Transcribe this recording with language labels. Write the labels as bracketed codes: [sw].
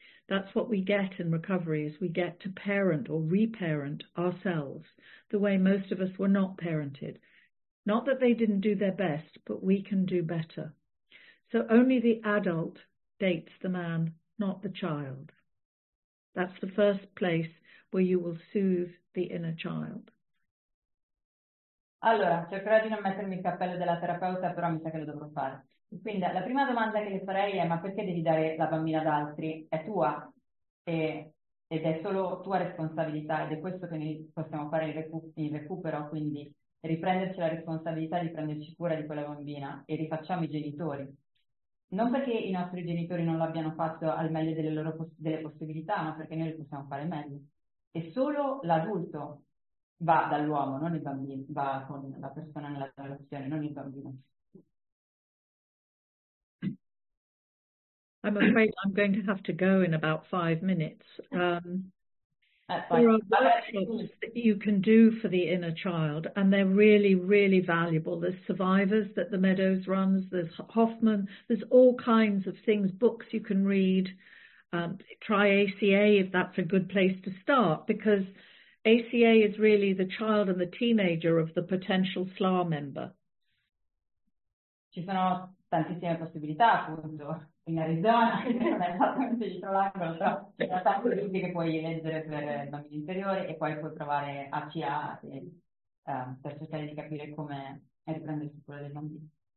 [en] That's what we get in recovery, is we get to parent or reparent ourselves the way most of us were not parented. Not that they didn't do their best, but we can do better. So only the adult dates the man, not the child. That's the first place where you will soothe the inner child. [it] Allora, cercherò di non mettermi il cappello della terapeuta, però mi sa che lo dovrò fare. Quindi la prima domanda che le farei è: ma perché devi dare la bambina ad altri? È tua ed è solo tua responsabilità, ed è questo che noi possiamo fare in recupero, quindi riprenderci la responsabilità di prenderci cura di quella bambina, e rifacciamo i genitori. Non perché i nostri genitori non l'abbiano fatto al meglio delle loro delle possibilità, ma perché noi lo possiamo fare meglio. E solo l'adulto va dall'uomo, non il bambino, va con la persona nella relazione, non il bambino. [en] I'm afraid I'm going to have to go in about 5 minutes. There are workshops that you can do for the inner child, and they're really, really valuable. There's Survivors that the Meadows runs, there's Hoffman, there's all kinds of things, books you can read. Try ACA if that's a good place to start, because ACA is really the child and the teenager of the potential SLA member. [it] Ci sono tantissime possibilità, appunto. In Arizona, non è esattamente dietro l'angolo, però ci sono tanti libri che puoi leggere per il bambino interiore, e poi puoi provare ACA per cercare di capire come riprendersi cura dei bambini.